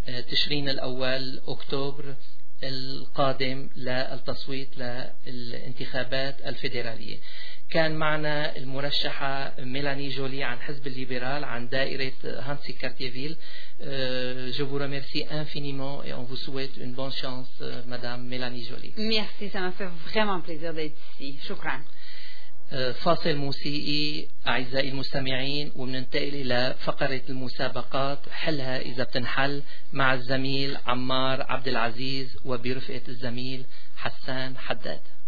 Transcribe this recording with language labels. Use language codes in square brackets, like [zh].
[ar] تشرين الأول أكتوبر القادم للتصويت للانتخابات الفيدرالية كان معنا المرشحة ميلاني جولي عن حزب الليبرال عن دائرة هانسي كارتيفيل [fr] Je vous remercie infiniment et on vous souhaite une bonne chance Madame [ar] ميلاني جولي [fr] Merci, ça m'a fait vraiment plaisir d'être ici [ar] شكرا فاصل موسيقي أعزائي المستمعين ومننتقل إلى فقرة المسابقات حلها إذا بتنحل مع الزميل عمار عبد العزيز وبرفقة الزميل حسان حداد